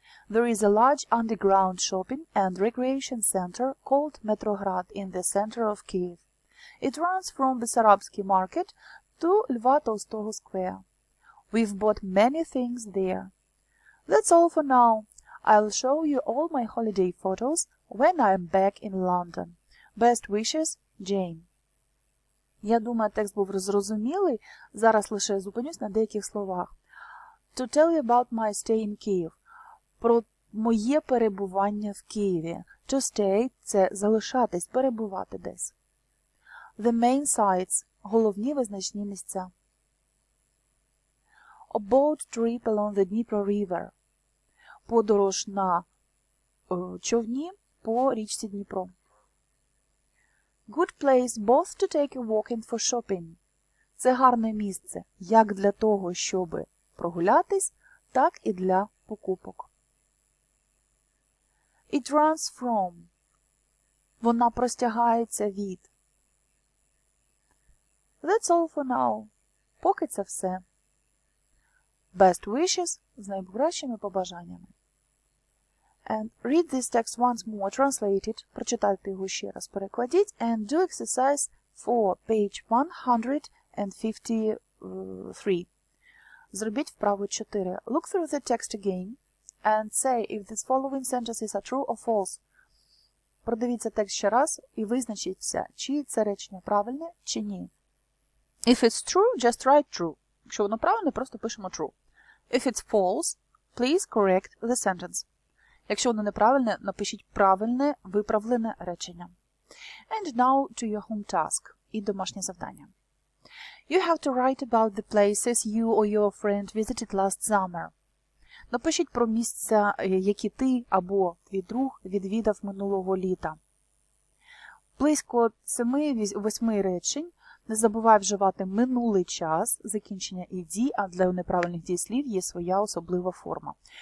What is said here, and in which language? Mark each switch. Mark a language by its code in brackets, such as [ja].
[en] There is a large underground shopping and recreation center called Metrograd in the center of Kyiv. It runs from Bessarabsky Market to Lva Tolstoy Square. We've bought many things there. That's all for now. I'll show you all my holiday photos when I'm back in London. Best wishes, Jane. [uk] Я думаю, текст був зрозумілий. Зараз лише зупинюсь на деяких словах. [en] To tell you about my stay in Kyiv. [uk] Про моє перебування в Києві. [en] To stay [uk] – це залишатись, перебувати десь. [en] The main sites – [uk] головні визначні місця. [en] A boat trip along the Dnipro River. [uk] Подорож на човні по річці Дніпро. [en] Good place both to take a walk and for shopping. [uk] Це гарне місце, як для того, щоб прогулятись, так і для покупок. [en] It runs from. [uk] Вона простягається від. [en] That's all for now. [uk] Поки це все. [en] Best wishes – [uk] з найкращими побажаннями. [en] And read this text once more, translate it, [uk] прочитайте його ще раз, перекладіть, [en] and do exercise 4, page 153. [uk] Зробіть вправу 4. [en] Look through the text again and say if these following sentences are true or false. [uk] Продивіться текст ще раз і визначіться, чи це речення правильне, чи ні. [en] If it's true, just write true. [uk] Якщо воно правильне, просто пишемо true. [en] If it's false, please correct the sentence. [uk] Якщо воно неправильне, напишіть правильне, виправлене речення. [en] And now to your home task. [uk] І домашнє завдання. [en] You have to write about the places you or your friend visited last summer. [uk] Напишіть про місця, які ти або твій друг відвідав минулого літа. Близько 7-8 речень. Не забувай вживати минулий час, закінчення і дій, а для неправильних дієслів є своя особлива форма.